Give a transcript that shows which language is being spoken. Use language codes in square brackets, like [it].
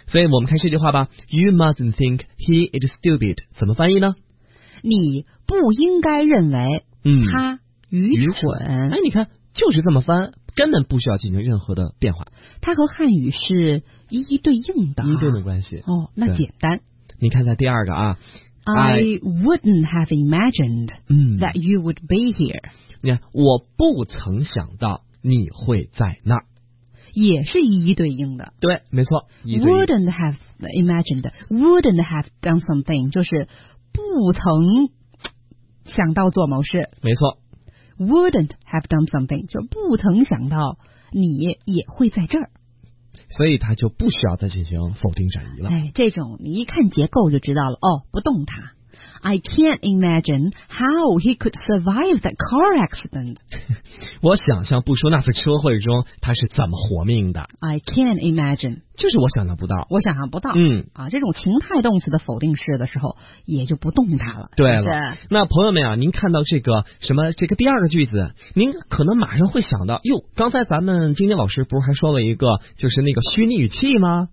[zh] 所以我们看这句话吧 ， [en] You mustn't think he is stupid， [zh] 怎么翻译呢？你不应该认为他愚蠢。愚蠢，哎，你看就是这么翻，根本不需要进行任何的变化。它和汉语是一一对应的，一对的关系。哦，那简单。你看在第二个啊 [en] ，I wouldn't have imagined that you would be here。 [zh] 你看，我不曾想到你会在那儿。也是一一对应的，对，没错。 [en] Wouldn't have imagined， wouldn't have done something， [zh] 就是不曾想到做某事。没错。 [en] Wouldn't have done something， [zh] 就不曾想到你也会在这儿。所以他就不需要再进行否定转移了。哎，这种你一看结构就知道了。哦，不动它。 [en] I can't imagine how he could survive that car accident. [zh] 我想象不说那次车祸中他是怎么活命的。 [en] I can't imagine. [zh] 就是我想象不到。我想象不到。嗯啊，这种情态动词的否定式的时候也就不动它了。对了，那朋友们啊，您看到这个什么这个第二个句子，您可能马上会想到，哟，刚才咱们晶晶老师不是还说了一个就是那个虚拟语气吗？